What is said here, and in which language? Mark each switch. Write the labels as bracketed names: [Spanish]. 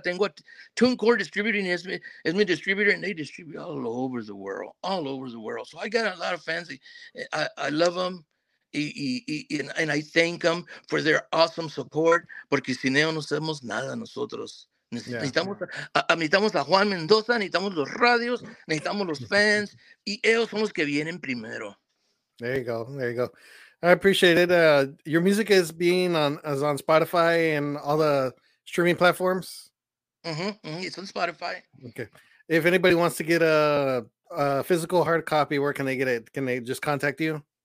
[Spanish] Tengo [English] TuneCore Distributing as my distributor, and they distribute all over the world. All over the world. So I got a lot of fans. I love them, and I thank them for their awesome support. [Spanish] Porque sin ellos no hacemos nada nosotros. Necesitamos a Juan Mendoza, necesitamos los radios, necesitamos los fans, y ellos son los que vienen primero. [English] There you go. I appreciate it. Your music is on Spotify and all the streaming platforms. It's on Spotify. Okay. If anybody wants to get a physical hard copy, where can they get it? Can they just contact you?